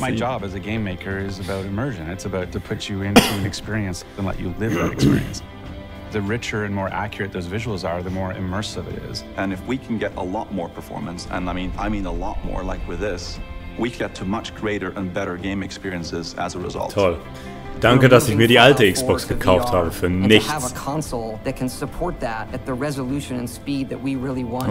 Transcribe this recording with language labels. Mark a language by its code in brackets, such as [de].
[en] My job as a game maker is about immersion. It's about to put you into an experience and let you live that experience. The richer and more accurate those visuals are, the more immersive it is. And if we can get a lot more performance, and I mean a lot more, like with this, we get to much greater and better game experiences as a result. [de] Toll. Danke, dass ich mir die alte Xbox gekauft habe für nichts. [en] Have a console that can support that at the resolution and speed that we really want.